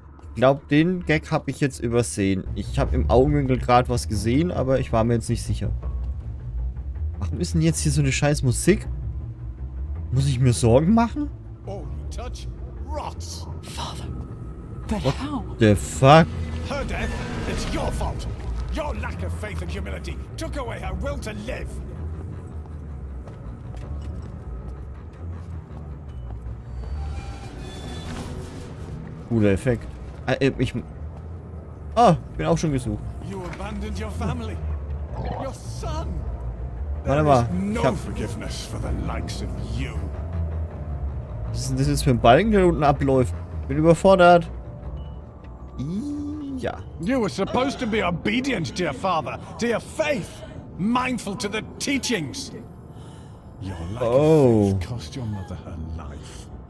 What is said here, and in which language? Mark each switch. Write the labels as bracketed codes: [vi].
[de] Ich glaube, den Gag habe ich jetzt übersehen. Ich habe im Augenwinkel gerade was gesehen, aber ich war mir jetzt nicht sicher. Warum ist denn jetzt hier so eine scheiß Musik? Muss ich mir Sorgen machen? [en] What the fuck? Her death, it's your fault. Your lack of faith and humility took away her will to live. [de] Cooler Effekt. Ich bin auch schon gesucht. [en] You abandoned your family. Your son. [de] Warte mal. [en] Forgiveness for the likes of you. [de] Was ist denn das jetzt für ein Balken, der unten abläuft? Bin überfordert. Ja. [en] You were supposed to be obedient, dear father, to your faith, mindful to the teachings. Your lack of faith cost your mother her life.